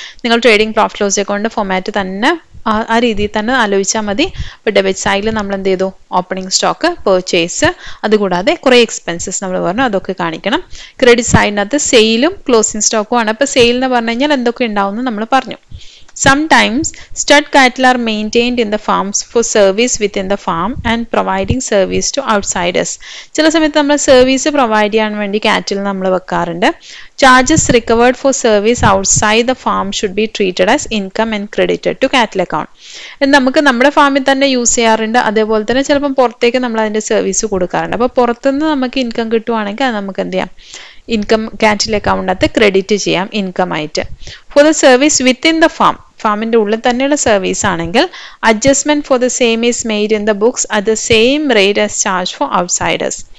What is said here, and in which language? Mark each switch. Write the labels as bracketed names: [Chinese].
[Malayalam] നിങ്ങൾ trading profit loss account format തന്നെ ആ രീതിയിൽ തന്നെ ആലോചിച്ചാൽ മതി. ഇപ്പോൾ ഡെബിറ്റ് സൈഡിൽ നമ്മൾ എന്ത് ചെയ്തു, ഓപ്പണിംഗ് സ്റ്റോക്ക്, പെർച്ചേസ്, അതുകൂടാതെ കുറേ എക്സ്പെൻസസ് നമ്മൾ പറഞ്ഞു, അതൊക്കെ കാണിക്കണം. ക്രെഡിറ്റ് സൈഡിനകത്ത് സെയിലും ക്ലോസിംഗ് സ്റ്റോക്കും ആണ്. അപ്പോൾ സെയിൽ എന്ന് പറഞ്ഞു കഴിഞ്ഞാൽ എന്തൊക്കെ ഉണ്ടാവും എന്ന് നമ്മൾ പറഞ്ഞു. [English] Sometimes stud cattle are maintained in the farms for service within the farm and providing service to outsiders. [Malayalam] ചില സമയത്ത് നമ്മൾ സർവീസ് പ്രൊവൈഡ് ചെയ്യാൻ വേണ്ടി കാറ്റിൽ നമ്മൾ വെക്കാറുണ്ട്. [English] Charges recovered for service outside the farm should be treated as income and credited to cattle account. [Malayalam] നമുക്ക് നമ്മുടെ ഫാമിൽ തന്നെ യൂസ് ചെയ്യാറുണ്ട്, അതേപോലെ തന്നെ ചിലപ്പം പുറത്തേക്ക് നമ്മൾ അതിൻ്റെ സർവീസ് കൊടുക്കാറുണ്ട്. അപ്പോൾ പുറത്തുനിന്ന് നമുക്ക് ഇൻകം കിട്ടുവാണെങ്കിൽ അത് നമുക്ക് എന്ത് ചെയ്യാം, ഇൻകം കാറ്റിൽ അക്കൗണ്ടിനകത്ത് ക്രെഡിറ്റ് ചെയ്യാം ഇൻകം ആയിട്ട്. [English] for the service within the farm, [Malayalam] ഫാമിൻ്റെ ഉള്ളിൽ തന്നെയുള്ള സർവീസ് ആണെങ്കിൽ [English] Adjustment for the same is made in the books at the same rate as charge for outsiders.